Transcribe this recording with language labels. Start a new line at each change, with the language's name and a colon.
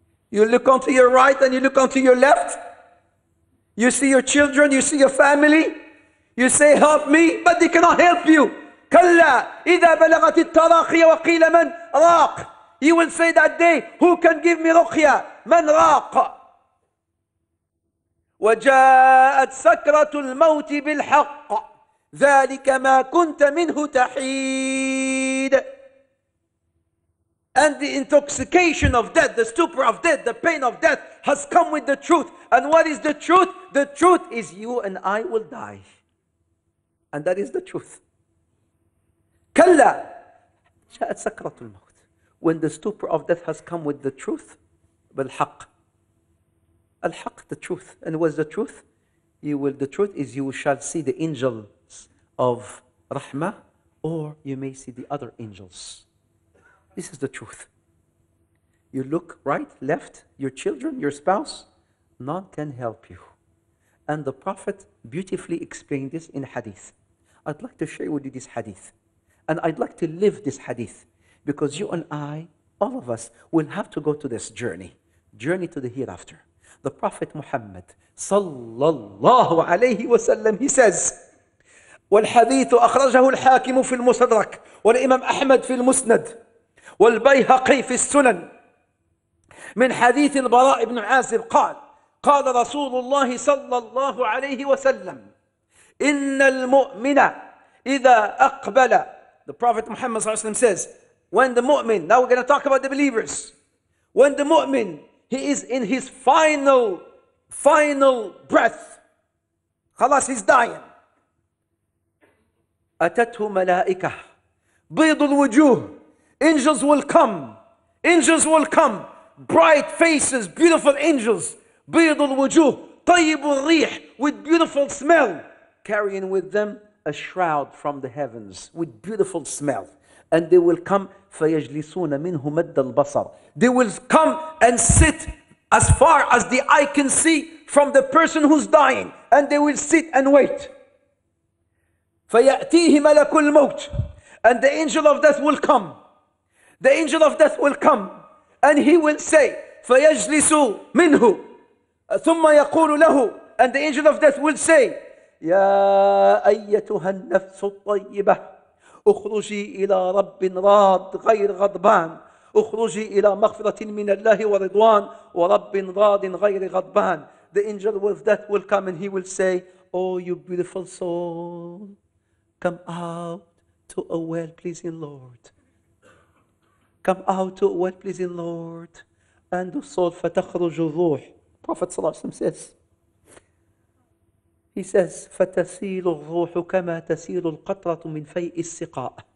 English: You look onto your right and you look onto your left. You see your children, you see your family. You say, help me, but they cannot help you.
Arabic: كلا إذا بلغت التراقي وقيل من راق.
English: You will say that day, who can give me
Arabic: رقية؟ من راق. وجاءت سكرة الموت بالحق ذلك ما كنت منه تحيد.
English: And the intoxication of death, the stupor of death, the pain of death has come with the truth. And what is the truth? The truth is you and I will die. And that is the truth.
Arabic: كلا جاءت سكرة الموت.
English: When the stupor of death has come with the truth,
Arabic: بالحق. الحق,
English: the truth. And what is the truth? The truth is you shall see the angels of Rahmah, or you may see the other angels. This is the truth. You look right, left, your children, your spouse, none can help you. And the Prophet beautifully explained this in hadith. I'd like to share with you this hadith. And I'd like to live this hadith. Because you and I, all of us, will have to go to this journey. Journey to the hereafter. The Prophet Muhammad, sallallahu alayhi wa sallam, he says,
Arabic: والحديث أخرجه الحاكم في المسدرك والإمام أحمد في المسند والبيهقي في السنن من حديث البراء بن عازب قال قال رسول الله صلى الله عليه وسلم إن المؤمن إذا أقبل.
English: The Prophet Muhammad
Arabic: صلى الله عليه وسلم
English: says, when the mu'min, now we're going to talk about the believers, when the mu'min, he is in his final breath,
Arabic: خلاص,
English: he's dying.
Arabic: أتته ملائكة بيض الوجوه.
English: Angels will come. Angels will come. Bright faces, beautiful angels.
Arabic: بيض الوجوه, طيب الريح,
English: with beautiful smell. Carrying with them a shroud from the heavens with beautiful smell. And they will come.
Arabic: فيجلسون منه مد البصر.
English: They will come and sit as far as the eye can see from the person who's dying. And they will sit and wait.
Arabic: فيأتيه ملك الموت.
English: And the angel of death will come. The angel of death will come and he will say,
Arabic: فَيَجْلِسُ مِنْهُ ثُمَّ يَقُولُ لَهُ.
English: And the angel of death will say,
Arabic: يَا أَيَّتُهَا النَّفْسُ الطَّيِّبَةُ أُخْرُجِي إِلَىٰ رَبٍ رَاضٍ غَيْرِ غَضْبَانٍ اخرجي الى مغفرة من الله ورضوان ورب راض غير غضبان.
English: The angel of death will come and he will say, oh you beautiful soul, come out to a well-pleasing Lord. Come out to a well-pleasing Lord. And the soul
Arabic: فتخرج الروح.
English: Prophet Sallallahu Alaihi Wasallam says, he says,
Arabic: فَتَسِيلُ الْرُوحُ كَمَا تَسِيلُ الْقَطْرَةُ مِنْ فَيْءِ السِّقَاءِ.